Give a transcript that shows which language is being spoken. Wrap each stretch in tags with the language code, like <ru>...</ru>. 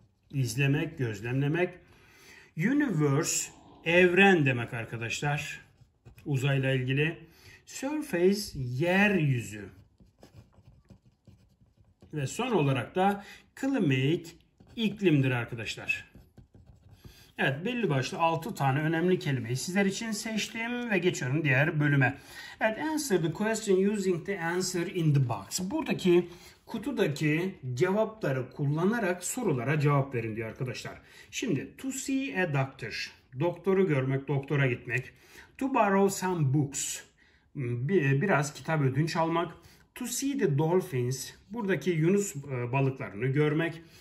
<tr>İzlemek, gözlemlemek. Universe evren demek arkadaşlar. Uzayla ilgili. Surface yeryüzü. Ve son olarak da climate iklimdir arkadaşlar. Evet, belli başlı 6 tane önemli kelimeyi sizler için seçtim ve geçiyorum diğer bölüme.</tr> <en>Evet, answer the question using the answer in the box.</en> <tr>Buradaki kutudaki cevapları kullanarak sorulara cevap verin diyor arkadaşlar. Şimdi</tr> <en>to see a doctor,</en> <tr>doktoru görmek, doktora gitmek.</tr> <en>To borrow some books,</en> <tr>biraz kitap ödünç almak.</tr> <en>To see the dolphins,</en> <tr>buradaki yunus balıklarını görmek.</tr>